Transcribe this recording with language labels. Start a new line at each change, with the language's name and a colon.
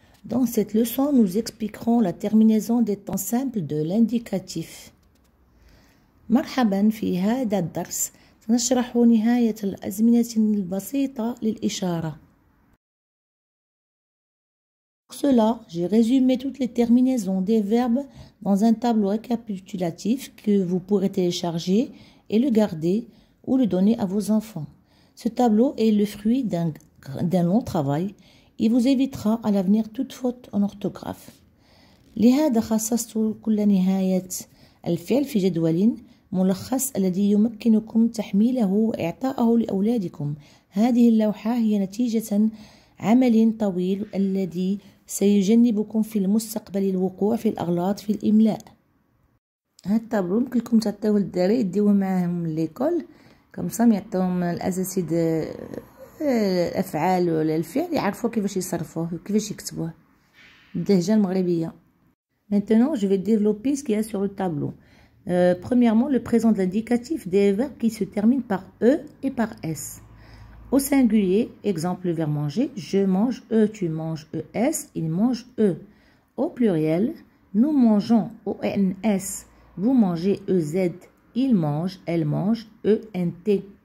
French: Dans cette leçon, nous expliquerons la terminaison des temps simples de l'indicatif.
Arabic: مرحباً في هذا الدرس سنشرح نهاية الأزمنة البسيطة للإشارة.
French: Pour cela, j'ai résumé toutes les terminaisons des verbes dans un tableau récapitulatif que vous pourrez télécharger et le garder ou le donner à vos enfants. Ce tableau est le fruit d'un long travail. Il vous évitera à l'avenir toute faute en orthographe.
Arabic: لهذا خصصت كل نهاية الفعل في جدول ملخص الذي يمكنكم تحميله وإعطائه لأولادكم. هذه اللوحة هي نتيجة عمل طويل الذي سيجنبكم في المستقبل الوقوع في الأغلاط في الإملاء. هذا التابلو يمكنكم تعطيوه للدراري يديوه معهم ليكول كم صام يعطيهم الأساسيد الأفعال والفعل يعرفوا كيفاش يصرفوه وكيفاش يكتبوه الدهجة المغربية.
French: Maintenant, je vais développer ce qu'il y a sur le tableau. Premièrement, le présent de l'indicatif des verbes qui se terminent par E et par S. Au singulier, exemple, le verbe manger, je mange, E, tu manges, ES, il mange, E. Au pluriel, nous mangeons, ONS, vous mangez, EZ, il mange, elle mange, ENT.